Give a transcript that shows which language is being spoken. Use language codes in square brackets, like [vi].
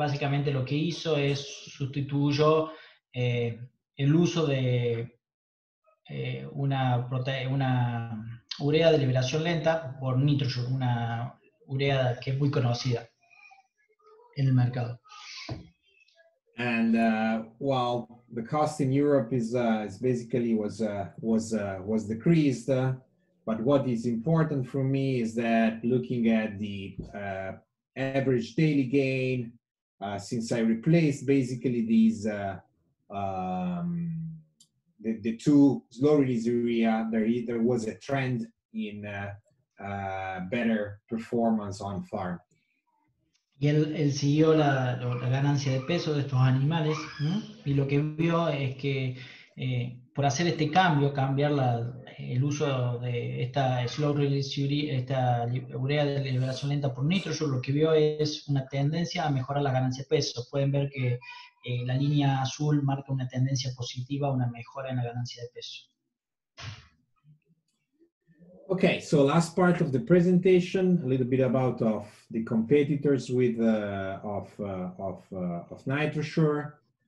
[es] Básicamente lo que hizo es sustituyó el uso de una urea de liberación lenta por NitroSure, una urea que es muy conocida en el mercado. [en] And well, the cost in Europe is basically was decreased, but what is important for me is that looking at the average daily gain since I replaced basically these the two slow release urea, there was a trend in better performance on farm. [es] Y él siguió la ganancia de peso de estos animales, ¿no? Y lo que vio es que por hacer este cambio, cambiar el uso de esta [en] slow release urea, [es] esta urea de liberación lenta por NitroSure, lo que vio es una tendencia a mejorar la ganancia de peso. Pueden ver que la línea azul marca una tendencia positiva, una mejora en la ganancia de peso. [en] Okay, so last part of the presentation, a little bit about of the competitors with of NitroSure.